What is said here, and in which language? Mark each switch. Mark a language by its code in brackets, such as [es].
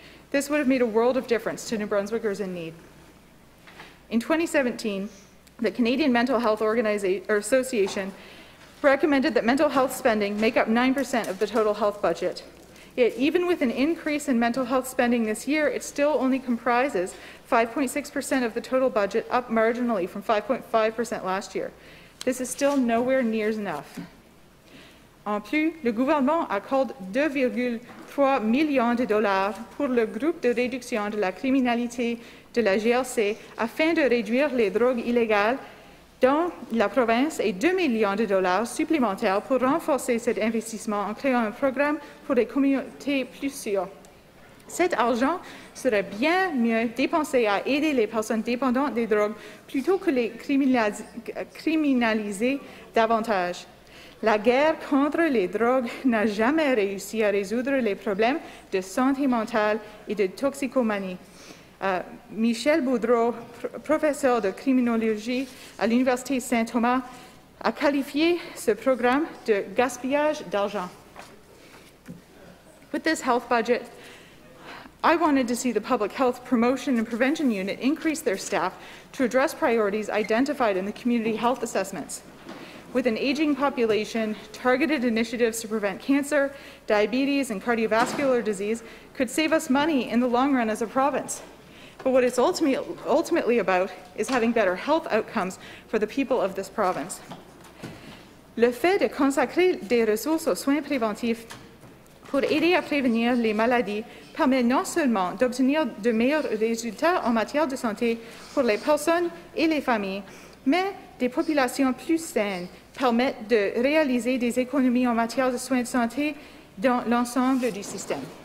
[en] This would have made a world of difference to New Brunswickers in need. In 2017, the Canadian Mental Health Association recommended that mental health spending make up 9% of the total health budget. Yet even with an increase in mental health spending this year, it still only comprises 5.6% of the total budget, up marginally from 5.5% last year. This is still nowhere near enough. [fr] En plus, le gouvernement accorde 2,3 millions de dollars pour le groupe de réduction de la criminalité de la GRC afin de réduire les drogues illégales dans la province et 2 millions de dollars supplémentaires pour renforcer cet investissement en créant un programme pour des communautés plus sûres. Cet argent serait bien mieux dépensé à aider les personnes dépendantes des drogues plutôt que les criminaliser davantage. La guerre contre les drogues n'a jamais réussi à résoudre les problèmes de santé mentale et de toxicomanie. Michel Boudreau, professeur de criminologie à l'Université Saint-Thomas, a qualifié ce programme de gaspillage d'argent. [en] With this health budget, I wanted to see the Public Health Promotion and Prevention Unit increase their staff to address priorities identified in the community health assessments. With an aging population, targeted initiatives to prevent cancer, diabetes, and cardiovascular disease could save us money in the long run as a province. But what it's ultimately about is having better health outcomes for the people of this province. [fr] Le fait de consacrer des ressources aux soins préventifs pour aider à prévenir les maladies permet non seulement d'obtenir de meilleurs résultats en matière de santé pour les personnes et les familles, mais des populations plus saines permettent de réaliser des économies en matière de soins de santé dans l'ensemble du système.